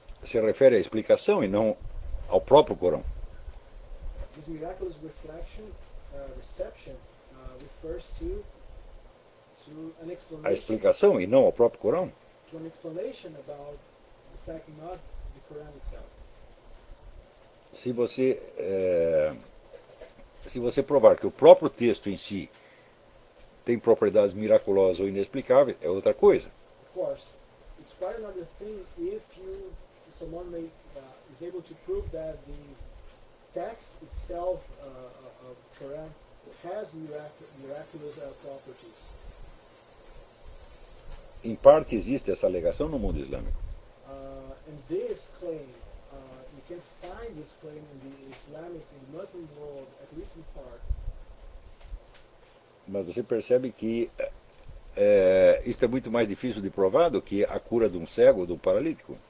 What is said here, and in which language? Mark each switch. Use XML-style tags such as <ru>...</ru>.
<pt>se refere à explicação e não ao próprio Corão.</pt> <en>This miraculous reflection reception refers to an explanation.</en> <pt>A explicação e não ao próprio Corão.</pt> <en>To an explanation about the fact, not the Quran itself.</en> <pt>Se você provar que o próprio texto em si tem propriedades miraculosas ou inexplicáveis, é outra coisa.</pt> <en>Of course, it's quite another thing if you someone may is able to prove that the text itself of the Quran has miraculous properties.</en> <pt>Em parte existe essa alegação no mundo islâmico.</pt> <en>And this claim, you can find this claim in the Islamic, in the Muslim world, at least in part.</en> <pt>Mas você percebe que isto é muito mais difícil de provar do que a cura de um cego ou de um paralítico?</pt>